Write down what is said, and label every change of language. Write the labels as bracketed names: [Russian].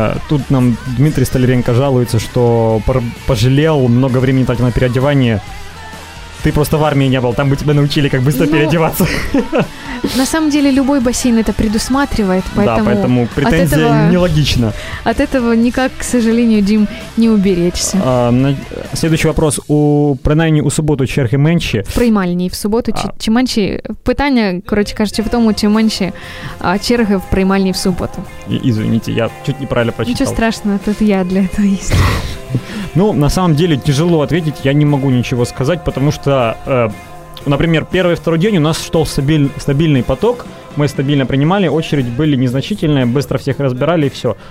[Russian] Тут нам Дмитрий Столяренко жалуется, что пожалел много времени тратить на переодевание. Ты просто в армии не был, там бы тебя научили, как быстро переодеваться. На самом деле, любой бассейн это предусматривает, поэтому претензия нелогична. От этого никак, к сожалению, Дим, не уберечься. Следующий вопрос. [Ukrainian] У Принайні у суботу черги менші? В приймальні в суботу чи менші? Питання, коротше кажучи, в тому, чи менші черги в приймальні в суботу. [Russian] Извините, я чуть неправильно прочитал. Ничего страшного, тут я для этого есть. Ну, на самом деле, тяжело ответить, я не могу ничего сказать, потому что, например, первый и второй день у нас шел стабильный поток, мы стабильно принимали, очередь были незначительные, быстро всех разбирали и все.